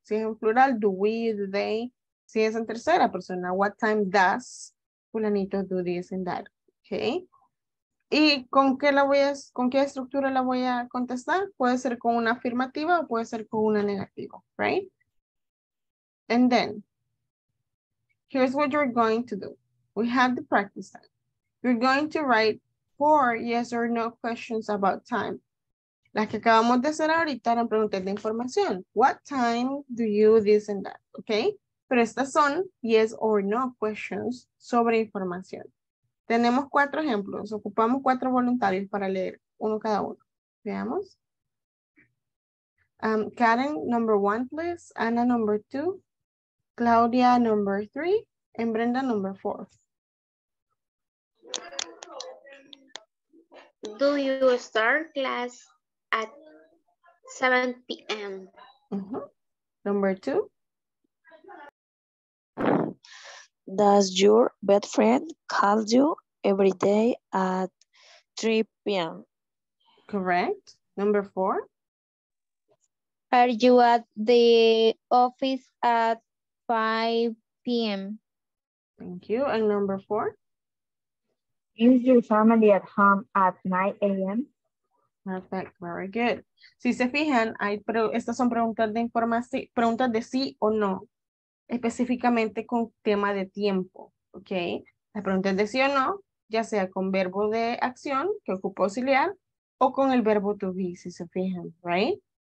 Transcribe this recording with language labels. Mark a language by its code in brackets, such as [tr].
[es] Si es en plural, [en] do we, do they. [es] Si es en tercera persona, [en] what time does fulanito do this and that. Okay. [es] ¿Y con qué estructura la voy a contestar? Puede ser con una afirmativa o puede ser con una negativa, right? [en] And then, here's what you're going to do. We have the practice time. You're going to write 4 yes or no questions about time. [es] Las que acabamos de hacer ahorita eran preguntas de información. [en] What time do you this and that? Okay? [es] Pero estas son yes or no questions sobre información. Tenemos 4 ejemplos. Ocupamos 4 voluntarios para leer uno cada uno. Veamos. [en] Karen, number 1, please. Anna, number 2. Claudia, number 3. And Brenda, number 4. Do you start class at 7 p.m.? Uh-huh. Number 2. Does your best friend call you every day at 3 p.m.? Correct. Number 4. Are you at the office at 5 p.m.? Thank you. And number 4. Is your family at home at 9 a.m.? Perfect. Very good. [es] Si se fijan, estas son preguntas de información, preguntas de sí o no. Específicamente con tema de tiempo, ¿ok? La pregunta es de sí o no, ya sea con verbo de acción, que ocupa auxiliar, o con el verbo to be, si se fijan, ¿right?